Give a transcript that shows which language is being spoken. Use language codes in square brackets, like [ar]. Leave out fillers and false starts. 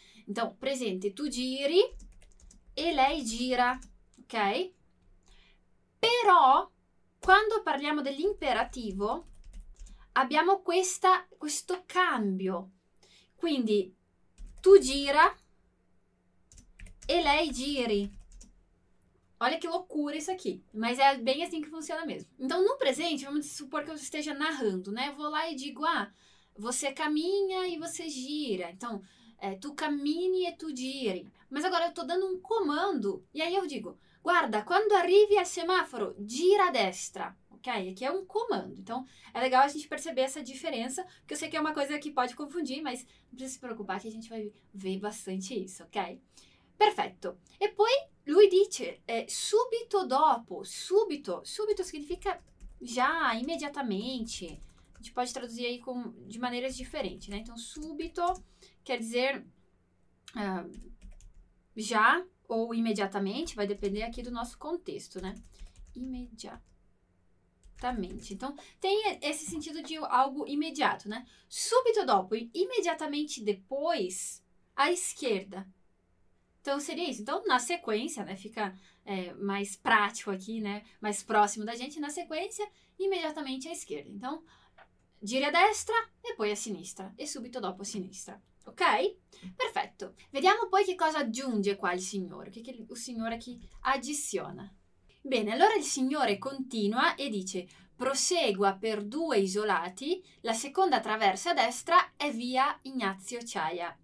[pt] Então, presente, [it] tu giri e lei gira, [pt] ok? [it] Però, quando parliamo dell'imperativo, abbiamo questo cambio. Quindi, tu gira e lei giri. [pt] Olha que loucura isso aqui, mas é bem assim que funciona mesmo. Então, no presente, vamos supor que eu esteja narrando, né? Eu vou lá e digo: ah, você caminha e você gira. Então, [it] tu cammini e tu giri. [pt] Mas agora eu estou dando um comando. E aí eu digo: [it] guarda, quando arrivi al semaforo, gira a destra. [pt] Ok? Aqui é um comando. Então, é legal a gente perceber essa diferença, porque eu sei que é uma coisa que pode confundir, mas não precisa se preocupar, que a gente vai ver bastante isso, ok? Perfeito. [it] E poi lui dice: subito dopo, subito. [pt] Subito significa já, imediatamente. A gente pode traduzir aí de maneiras diferentes, né? Então, súbito quer dizer já ou imediatamente, vai depender aqui do nosso contexto, né? Imediatamente. Então, tem esse sentido de algo imediato, né? Súbito dopo, imediatamente depois, à esquerda. Então, seria isso. Então, na sequência, né? Fica mais prático aqui, né? Mais próximo da gente, na sequência, imediatamente à esquerda. [it] Então, gira a destra e poi a sinistra, e subito dopo a sinistra. Ok? Perfetto. Vediamo poi che cosa aggiunge qua il signore, che il signore qui addiziona. Bene, allora il signore continua e dice: prosegua per due isolati, la seconda traversa a destra è via Ignazio Chaia.